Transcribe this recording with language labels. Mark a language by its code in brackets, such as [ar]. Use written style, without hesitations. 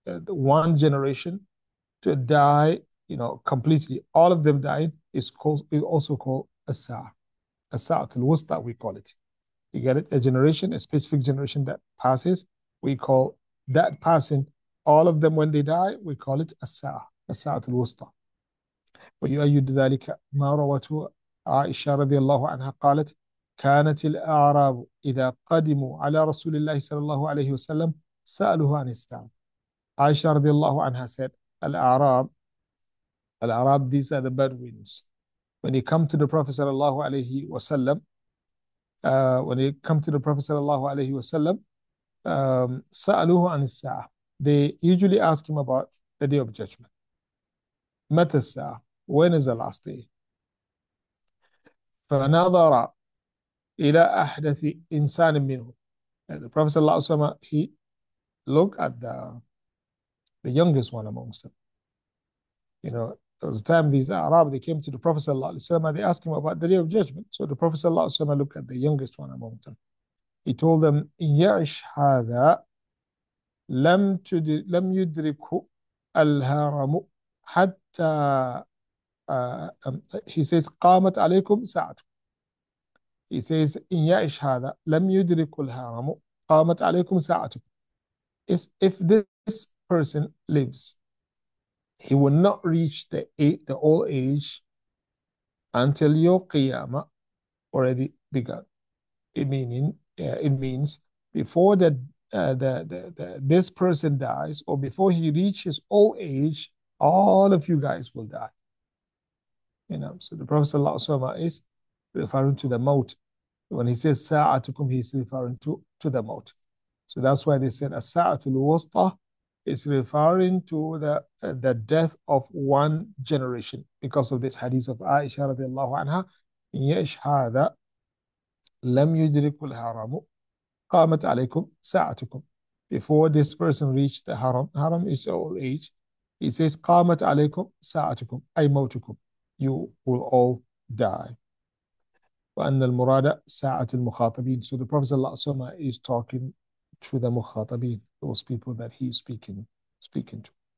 [en] one generation to die, you know, completely. All of them dying is called, is also called as-sa'ah. As-sa'ah al-wusta, we call it. You get it? A generation, a specific generation that passes, we call that passing, all of them when they die, we call it as-sa'ah, as-sa'ah al-wusta. [ar] ويؤيد ذلك ما روته عائشة رضي الله عنها قالت كانت الأعراب إذا قدموا على رسول الله صلى الله عليه وسلم سألوه عن الساعة. عائشة رضي الله عنها said الأعراب, الأعراب [en] these are the Bedouins. When you come to the Prophet صلى الله عليه وسلم when you come to the Prophet صلى الله عليه وسلم سألوه عن الساعة. They usually ask him about the day of judgment. متى الساعة؟ When is the last day? [ar] فنظر إلى أحدث إنسان منه. [en] And the Prophet صلى الله عليه وسلم, he looked at the youngest one amongst them. You know, there was a time these Arab, they came to the Prophet صلى الله عليه وسلم, they asked him about the day of judgment. So the Prophet صلى الله عليه وسلم looked at the youngest one amongst them. [ar] He told them, إن يعش هذا لم يدرك الهرم حتى he says قامت عليكم ساعته. He says إن يعش هذا لم يدرك الهرم قامت عليكم ساعته. [en] If this person lives, he will not reach the old age until your qiyama already begun. It means before that this person dies or before he reaches old age, all of you guys will die. You know, so the Prophet sallallahu alaihi wasallam is referring to the maut. When he says sa'atukum, he's referring to the maut. So that's why they said as-sa'atul wusta is referring to the death of one generation because of this hadith of Aisha radiallahu anha. [ar] In yash hadha lam yudrikul haramu qamat alaykum sa'atukum. [en] Before this person reached the haram, haram is old age, he says qamat alaykum sa'atukum, ay mautukum. You will all die. [ar] وأن المراد ساعة المخاطبين. [en] So the Prophet صلى الله عليه وسلم is talking to the مخاطبين, those people that he is speaking to.